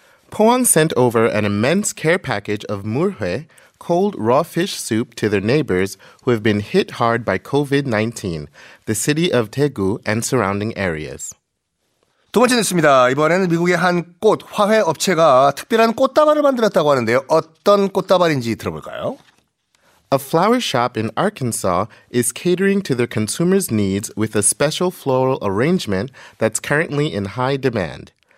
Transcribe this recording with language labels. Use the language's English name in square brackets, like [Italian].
[English] Pohang sent over an immense care package of 물회, cold raw fish soup to their neighbors who have been hit hard by COVID-19, the city of Daegu and surrounding areas. [Korean] 두 번째 뉴스입니다. 이번에는 미국의 한 꽃, 화훼 업체가 특별한 꽃다발을 만들었다고 하는데요. 어떤 꽃다발인지 들어볼까요? [English] A flower shop in Arkansas is catering to their consumers' needs with a special floral arrangement that's currently in high demand.